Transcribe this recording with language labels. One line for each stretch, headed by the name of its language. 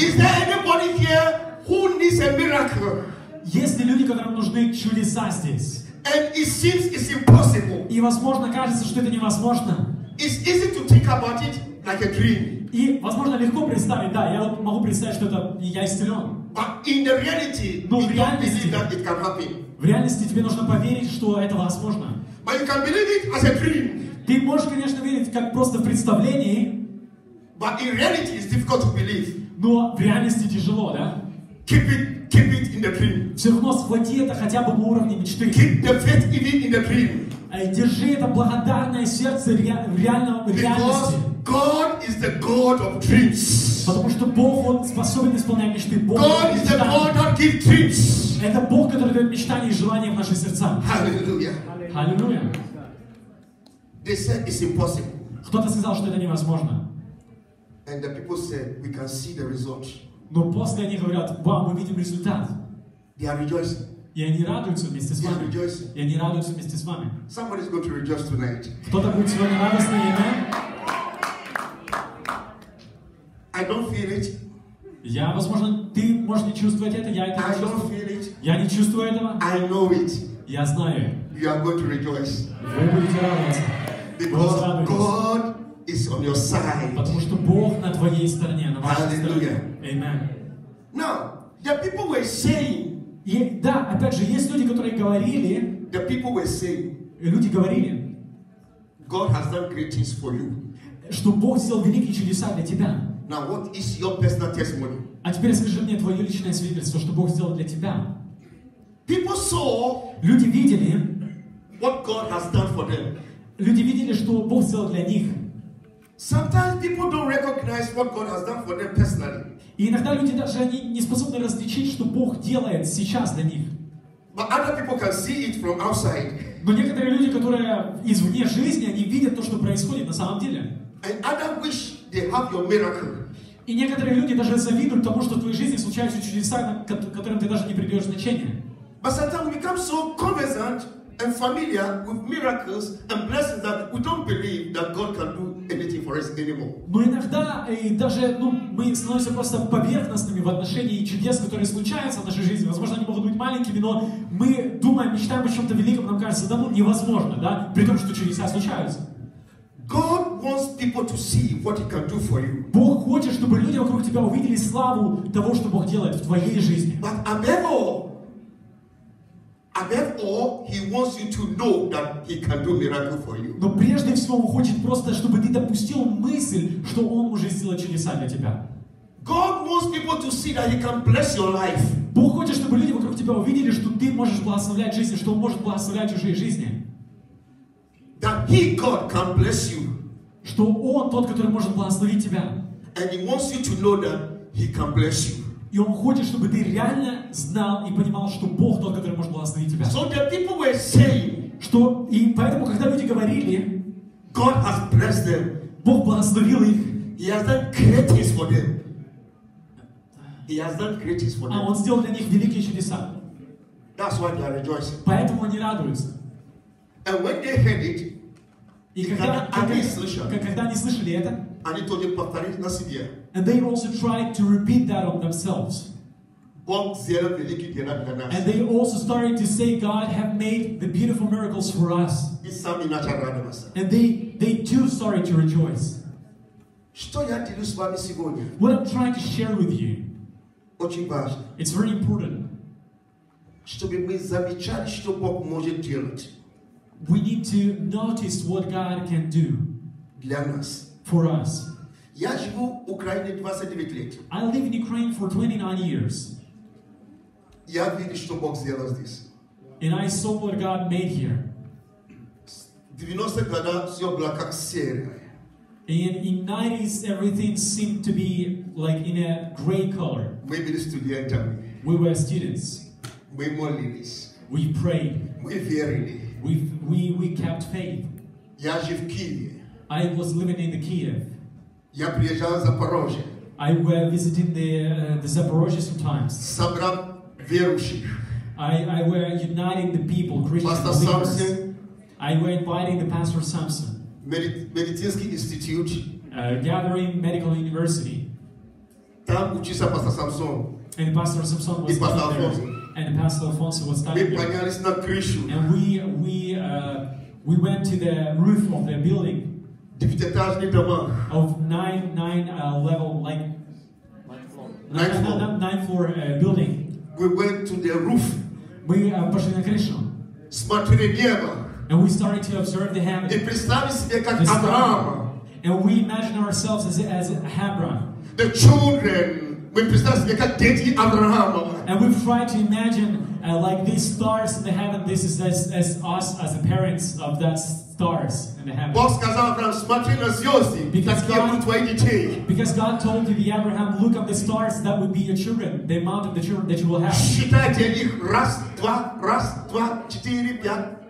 English: Is there anybody here who needs a miracle?
Russian: Есть ли люди, которым нужны чудеса здесь?
English: And it seems it's impossible.
Russian: И возможно кажется, что это невозможно.
English: It's easy to think about it like a dream.
Russian: И возможно легко представить, да, я могу представить, что это я исцелен.
English: But in the reality,
Russian: но
English: you don't believe that it can happen.
Russian: В реальности тебе нужно поверить, что это возможно.
English: But you can believe it as a dream.
Russian: Ты можешь, конечно, верить как просто представление.
English: But in reality, it's difficult to believe.
Russian: Но в реальности тяжело, да?
English: Keep it in the dream.
Russian: Все равно схвати это хотя бы на уровне мечты.
English: Keep the faith even in the dream.
Russian: Держи это благодарное сердце в реальности.
English: God is the God of dreams.
Russian: Потому что Бог, Он способен исполнять мечты. Бог
English: God is the God that gives dreams.
Russian: Это Бог, который дает мечтания и желания в наши сердца.
English: Hallelujah. Hallelujah. They said it's impossible.
Russian: Кто-то сказал, что это невозможно.
English: And the people said, we can see the result.
Russian: Но после они говорят, вау, мы видим результат.
English: They are rejoicing.
Russian: И они радуются вместе с вами.
English: They are rejoicing.
Russian: И они радуются вместе с вами.
English: Somebody is going to rejoice tonight.
Russian: Кто-то будет сегодня радостный, аминь.
English: I don't feel it.
Russian: Я, возможно, ты можешь не чувствовать это, я это
English: I
Russian: чувствую.
English: Don't feel it.
Russian: Я не чувствую этого.
English: I know it.
Russian: Я знаю.
English: You are going to rejoice.
Russian: Вы будете радоваться.
English: Because God is on your side.
Russian: Потому что Бог на твоей стороне, на вашей стороне.
English: Hallelujah. Amen. Now, the people were saying.
Russian: И, да, опять же, есть люди, которые говорили.
English: The people were saying.
Russian: И люди говорили.
English: God has done great things for you.
Russian: Что Бог сделал великие чудеса для тебя.
English: Now, what is your personal testimony?
Russian: А теперь скажи мне твое личное свидетельство, что Бог сделал для тебя.
English: People saw.
Russian: Люди видели.
English: What God has done for them.
Russian: Люди видели, что Бог сделал для них.
English: Sometimes people don't recognize what God has done for them personally.
Russian: И иногда люди даже они не способны различить, что Бог делает сейчас для них.
English: But other people can see it from outside.
Russian: Но некоторые люди, которые извне жизни, они видят то, что происходит на самом деле.
English: And others wish they have your miracle.
Russian: И некоторые люди даже завидуют тому, что в твоей жизни случаются чудеса, которым ты даже не придаешь значения.
English: But sometimes we become so conversant and familiar with miracles and blessings that we don't believe that God can do anything for us anymore.
Russian: Но иногда даже мы становимся просто поверхностными в отношении чудес, которые случаются в нашей жизни. Возможно, они могут быть маленькими, но мы думаем, мечтаем о чем-то великом, нам кажется, да, невозможно, да, при том, что чудеса случаются.
English: God wants people to see what He can do for you.
Russian: Бог хочет, чтобы люди вокруг тебя увидели славу того, что Бог делает в твоей жизни.
English: But above all, He wants you to know that He can do miracle for you.
Russian: Но прежде всего Он хочет просто, чтобы ты допустил мысль, что Он уже сделал чудеса для тебя.
English: God wants people to see that He can bless your life.
Russian: Бог хочет, чтобы люди вокруг тебя увидели, что ты можешь благословлять жизни, что Он может благословлять чужие жизни.
English: That He, God, can bless you.
Russian: Что Он тот, который может благословить тебя.
English: And He wants you to know that He can bless you.
Russian: И Он хочет, чтобы ты реально знал и понимал, что Бог тот, который может благословить тебя.
English: So the people were saying,
Russian: что и поэтому, когда люди говорили,
English: God has blessed them.
Russian: Бог благословил их.
English: He has done great things for them. He has done great things for them.
Russian: А Он сделал для них великие чудеса.
English: That's why they are rejoicing.
Russian: Поэтому они радуются.
English: And when they heard it,
Russian: и когда они слышали это, они тоже повторили на себе.
English: And they also tried to repeat that on themselves.
Russian: Бог сделал великие дела для нас.
English: And they also started to say, God have made the beautiful miracles for us.
Russian: И сами начали радоваться.
English: And they too started to rejoice.
Russian: Что я делюсь с вами сегодня?
English: What I'm trying to share with you.
Russian: Очень важно.
English: It's very important.
Russian: Чтобы мы замечали, что Бог может делать.
English: We need to notice what God can do
Russian: для нас.
English: For us.
Russian: Я живу в Украине 29 лет.
English: I live in Ukraine for 29 years.
Russian: Я видел, что Бог сделал здесь.
English: And I saw what God made here.
Russian: 90-е годы всё было как серое.
English: And in 90s everything seemed to be like in a gray color.
Russian: Мы были студентами.
English: We were students.
Russian: Мы молились.
English: We prayed.
Russian: Мы верили.
English: We kept faith.
Russian: Я жив в Киеве.
English: I was living in the Kiev.
Russian: Я приезжал в Запорожье.
English: I was visiting the Zaporozhye sometimes.
Russian: Собрал верующих.
English: I were uniting the people, Christians. Pastor Samson. I were inviting the Pastor Samson.
Russian: Медицинский институт.
English: Gathering Medical University.
Russian: Там учился Пастор Самсон.
English: And Pastor Samson was Pastor there. And Pastor Alfonso was studying. And we went to the roof of the building. Of nine floor building. We went to the roof. We
Russian: пошли на крышу. Смотрели небо.
English: And we started to observe the heaven.
Russian: И представили себе как Авраам.
English: And we imagined ourselves as Abraham. The children. We
Russian: представили себе как дети Авраама.
English: And we tried to imagine like these stars in the heaven. This is as us as the parents of that stars in the heaven.
Russian: Бог сказал Авраам, смотри на звезды, какие будут твои дети.
English: Because God told you, Abraham, look up the stars that would be your children, the amount of the children that you will have.
Russian: Считайте их раз, два, четыре, пять.